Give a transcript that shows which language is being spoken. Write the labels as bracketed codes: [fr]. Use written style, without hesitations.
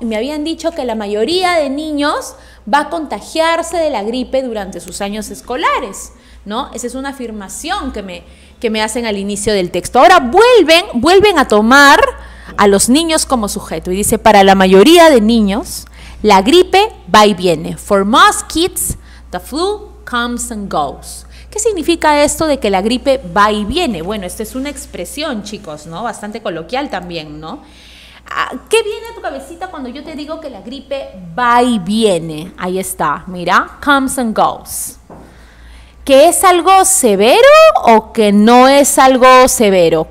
[es] Y me habían dicho que la mayoría de niños va a contagiarse de la gripe durante sus años escolares, ¿no? Esa es una afirmación que me hacen al inicio del texto. Ahora vuelven a tomar a los niños como sujeto. Y dice, para la mayoría de niños, la gripe va y viene. [en] For most kids, the flu comes and goes. [es] ¿Qué significa esto de que la gripe va y viene? Bueno, esta es una expresión, chicos, ¿no? Bastante coloquial también, ¿no? ¿Qué viene a tu cabecita cuando yo te digo que la gripe va y viene? Ahí está, mira, [en] comes and goes. [es] ¿Que es algo severo o que no es algo severo?